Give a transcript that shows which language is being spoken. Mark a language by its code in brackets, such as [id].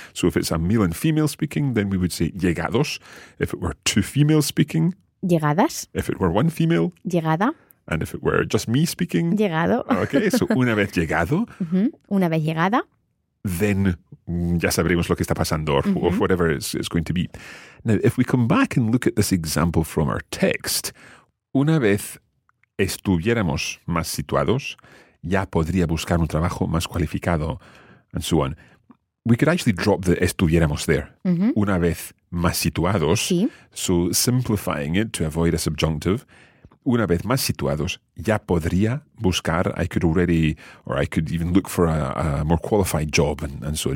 [en] So if it's a male and female speaking, then we would say llegados. If it were two females speaking, [es] llegadas. [en] If it were one female, [es] llegada. [en] And if it were just me speaking, [es] llegado. Okay, so una vez llegado. Mm-hmm. Una vez llegada. Then ya sabremos lo que está pasando, or, mm-hmm. [en] or whatever it's going to be. Now, if we come back and look at this example from our text, [es] una vez estuviéramos más situados, ya podría buscar un trabajo más cualificado, [en] and so on. We could actually drop the estuviéramos there. Mm-hmm. [es] Una vez más situados, sí. [en] So simplifying it to avoid a subjunctive, [es] una vez más situados, ya podría buscar, [en] I could even look for a more qualified job and so on.